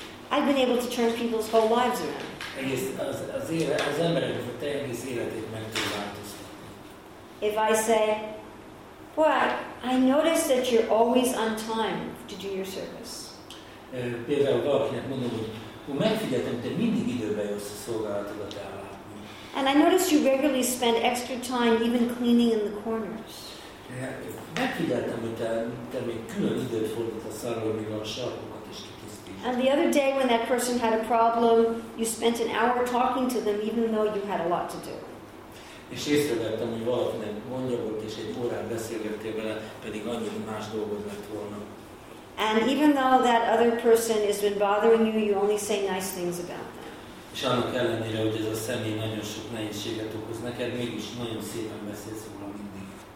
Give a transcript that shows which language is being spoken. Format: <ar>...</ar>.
<en>I've been able to turn people's whole lives around.</en> <hu>Az embereknek a teljes életét meg tud változtatni.</hu> <en>If I say, "Well, I noticed that you're always on time to do your service."</en> <hu>Például valakinek mondom, hogy megfigyeltem, te mindig időben jössz a szolgálatodra ellátni.</hu> <en>And I noticed you regularly spend extra time even cleaning in the corners.</en> <hu>Megfigyeltem, hogy te még külön időt fordítasz arra, hogy a sarkokat is kitisztítsd.</hu> <en>And the other day when that person had a problem, you spent an hour talking to them even though you had a lot to do.</en> <hu>És észrevettem, hogy valakinek gondja volt, és egy órán beszélgettél vele, pedig annyira más dolgod lett volna.</hu> <en>And even though that other person has been bothering you, you only say nice things about them.</en> <hu>És annak ellenére, hogy ez a személy nagyon sok nehézséget okoz neked, mégis nagyon szépen beszélsz róla mindig.</hu>